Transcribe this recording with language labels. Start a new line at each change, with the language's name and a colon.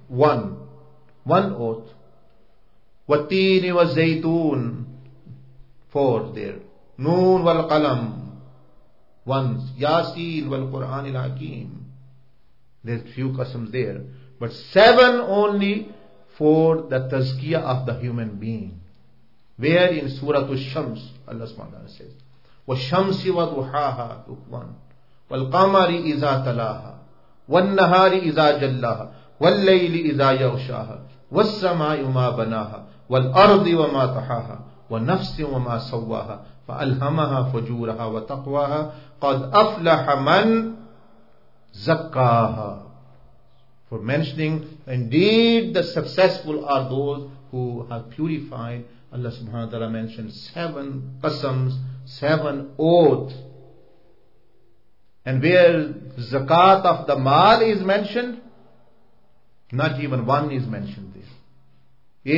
English: One oath. وَالْتِينِ وَالْزَيْتُونَ. 4 there.
Arabic: نُون وَالْقَلَمْ. 1. يَاسِين وَالْقُرْآنِ الْحَكِيمِ.
English: There's few qasams there. But 7 only for the tazkiyah of the human being.
Arabic: Where in Surah Al-Shams, Allah SWT says, وَالشَّمْسِ وَضُحَاهَا تُقْوَانَ وَالْقَمَرِ إِذَا تَلَاهَا وَالنَّهَارِ إِذَا جَلَّاهَا وَاللَّيْلِ إِذَا يَغْشَاهَا وَالسَّمَاءِ مَا بَنَاهَا وَالْأَرْضِ وَمَا طَحَاهَا وَالنَّفْسِ وَمَا سَوَّاهَا فَأَلْهَمَهَا فُجُورَهَا وَتَقْوَاهَا قَدْ أَفْلَحَ مَنْ زَكَّاهَا.
English: For mentioning, indeed the successful are those who have purified. Allah subhanahu wa ta'ala mentioned 7 qasams, 7 oaths. And where zakat of the maal is mentioned, not even one is mentioned there.